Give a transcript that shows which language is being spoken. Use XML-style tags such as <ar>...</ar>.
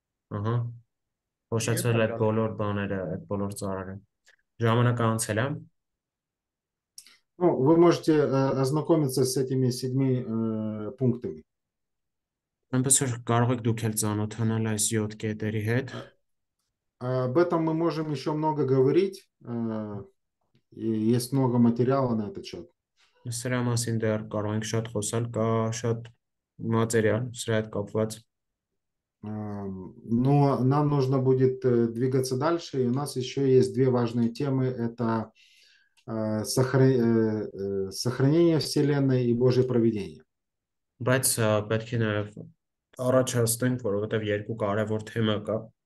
<hy>ահա, փոշեցվել այդ բոլոր բաները, այդ բոլոր ծառերը, ժամանակը անցել է։</hy> <ru>Ну, вы можете ознакомиться с этими 7 пунктами.</ru> <hy>Ամբողջ կարող եք դուք էլ ճանաչել այս 7 կետերի հետ։</hy> <ru>Об этом мы можем еще много говорить, есть много материала на этот счет.</ru> <hy>Սրա մասին դեռ կարող ենք շատ խոսել, կա շատ մատերիալ սրա հետ կապված։</hy> <ru>Но нам нужно будет двигаться дальше, и у нас еще есть две важные темы. Это сохранение Вселенной и Божье провидение.</ru> <hy>Բայց պետք է նաև առաջացնենք, որովհետև երկու կարևոր թեմա կա.</hy>